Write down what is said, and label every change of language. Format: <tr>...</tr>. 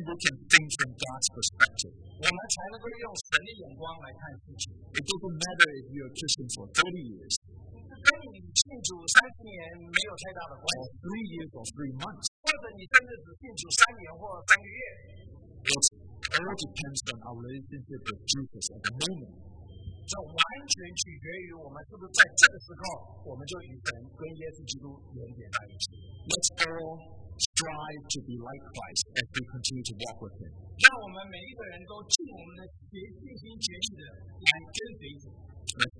<en>we can think from God's perspective.</en> <zh>我们才能够用神的眼光来看事情。</zh> <en>It doesn't matter if you're a Christian for 30 years.</en> <zh>跟你信主30年没有太大的关系。</zh> <en>Or 3 years or 3 months.</en> <zh>或者你甚至只信主3年或3个月。</zh> <en>It all depends on our relationship with Jesus at the moment.</en> <zh>这完全取决于我们是不是在这个时候，我们就与神、跟耶稣基督连接在一起。</zh> <en>Let's all strive to be like Christ as we continue to walk with Him.</en> <zh>让我们每一个人都尽我们的竭尽心竭力的来跟随主。</zh> <en>Let's</en>